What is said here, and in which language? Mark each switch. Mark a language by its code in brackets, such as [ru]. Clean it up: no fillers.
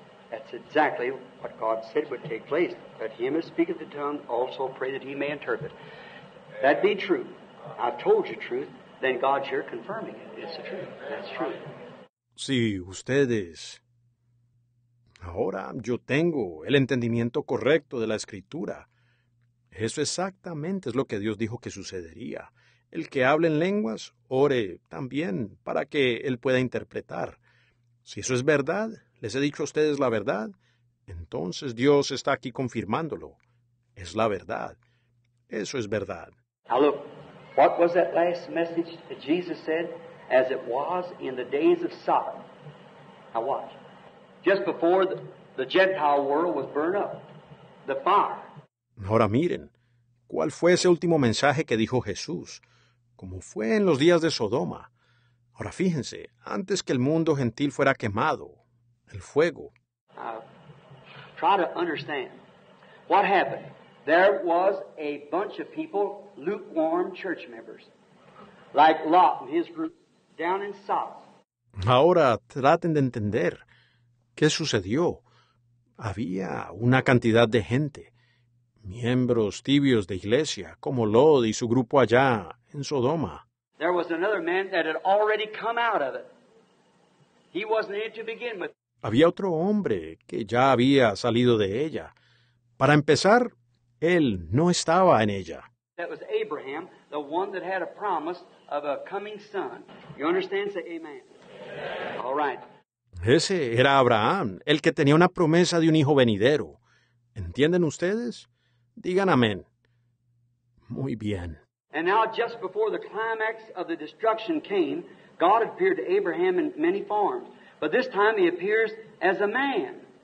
[en] That's exactly what God said would take place. That him who speaketh the tongue also pray that he may interpret. That be true. I've told you truth, then God's here confirming it. It's the truth. That's true. [es] Si ustedes. Ahora yo tengo el entendimiento correcto de la escritura. Eso exactamente es lo que Dios dijo que sucedería. El que hable en lenguas, ore también para que él pueda interpretar. Si eso es verdad, les he dicho a ustedes la verdad, entonces Dios está aquí confirmándolo. Es la verdad. Eso es verdad. [en] Now look, what was that last message that Jesus said? As it was in the days of Sodom. Now watch. Just before the Gentile world was burned up. The fire. [es] Ahora miren, ¿cuál fue ese último mensaje que dijo Jesús? Como fue en los días de Sodoma. Ahora fíjense, antes que el mundo gentil fuera quemado, el fuego. [en] Try to understand what happened. There was a bunch of people, lukewarm church members, like Lot and his group, down in Sodom. [es] Ahora traten de entender qué sucedió. Había una cantidad de gente, miembros tibios de iglesia, como Lot y su grupo allá en Sodoma. [en] There was another man that had already come out of it. He wasn't it to begin with. [es] Había otro hombre que ya había salido de ella. Para empezar, él no estaba en ella. [en] That was Abraham, the one that had a promise of a coming son. You understand? Say amen. All right. [es] Ese era Abraham, el que tenía una promesa de un hijo venidero. ¿Entienden ustedes? Digan amén. Muy bien. [en] And now, just before the climax of the destruction came, God appeared to Abraham in many forms. But this time he appears as a man.